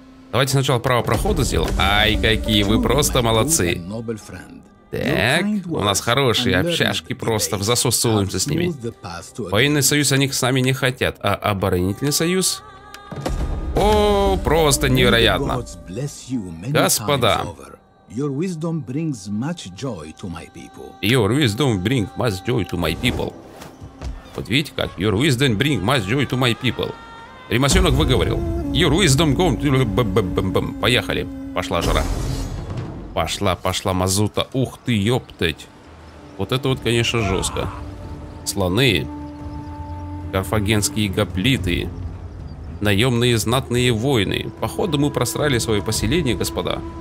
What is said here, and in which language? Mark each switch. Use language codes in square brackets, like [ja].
[ru] Давайте сначала право прохода сделаем. Ай, какие вы просто молодцы. Так, у нас хорошие общашки, просто в засос целуемся с ними. Военный союз они с нами не хотят, а оборонительный союз? О, просто невероятно. Господа. [en] Your wisdom brings much joy to my people. Your wisdom bring much joy to my people. [ru] Вот видите как? [en] Your wisdom bring much joy to my people. [ru] Римасенок выговорил. [en] Your wisdom go... Поехали. [ru] Пошла жара. Пошла, пошла мазута. Ух ты, ёптеть. Вот это вот, конечно, жестко. Слоны. Карфагенские гоплиты. Наемные знатные воины. Походу мы просрали свое поселение, господа.